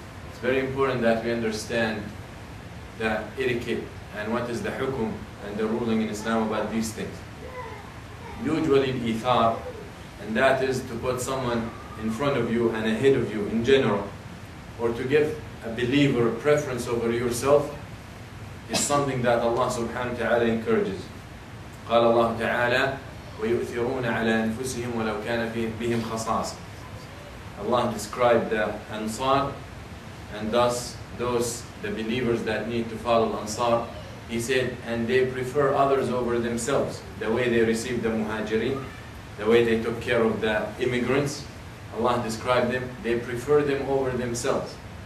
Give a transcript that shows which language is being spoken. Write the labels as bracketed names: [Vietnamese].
[English] It's very important that we understand the etiquette and what is the hukum and the ruling in Islam about these things. Usually ithar, and that is to put someone in front of you and ahead of you in general, or to give a believer a preference over yourself, is something that Allah subhanahu wa ta'ala encourages. [Arabic] قال الله تعالى ويؤثرون على أنفسهم ولو كان بهم خصاصة. [English] Allah described the Ansar, and thus those the believers that need to follow Ansar, He said, and they prefer others over themselves. The way they received the Muhajirin, the way they took care of the immigrants, Allah described them, they prefer them over themselves.